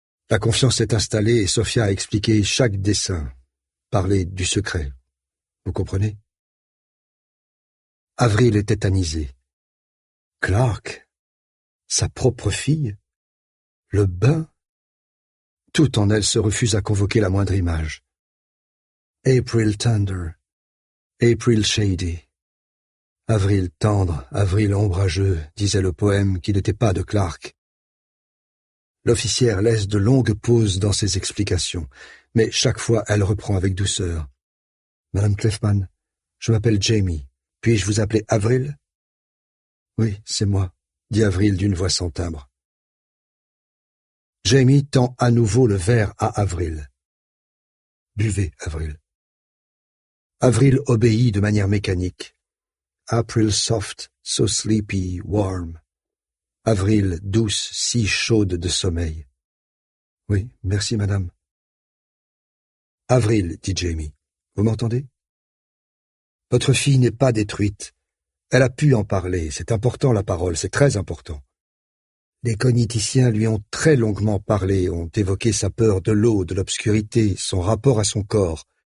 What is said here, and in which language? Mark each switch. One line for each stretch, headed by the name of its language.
French: La confiance s'est installée et Sophia a expliqué chaque dessin, parlé du secret. Vous comprenez ? Avril est tétanisée. Clark ? Sa propre fille ? Le bain ? Tout en elle se refuse à convoquer la moindre image.
English: April tender, April shady.
French: Avril tendre, avril ombrageux, disait le poème qui n'était pas de Clark. L'officière laisse de longues pauses dans ses explications, mais chaque fois elle reprend avec douceur. « Madame Kleffmann, je m'appelle Jamie. Puis-je vous appeler Avril ?»« Oui, c'est moi », dit Avril d'une voix sans timbre. Jamie tend à nouveau le verre à Avril. « Buvez, Avril. » Avril obéit de manière mécanique.
English: April soft, so sleepy, warm.
French: Avril douce, si chaude de sommeil. Oui, merci madame. Avril, dit Jamie, vous m'entendez? Votre fille n'est pas détruite. Elle a pu en parler, c'est important la parole, c'est très important. Les cogniticiens lui ont très longuement parlé, ont évoqué sa peur de l'eau, de l'obscurité, son rapport à son corps.